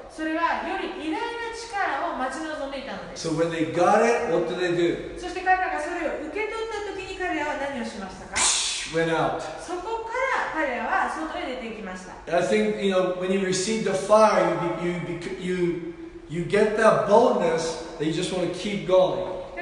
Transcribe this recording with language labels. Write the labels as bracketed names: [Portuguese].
[English] So when they got it, what did they do? [Japanese] そして彼らがそれを受け取った時に彼らは何をしましたか? [English] Went out. I think, you know, when you receive the fire, you get that boldness that you just want to keep going.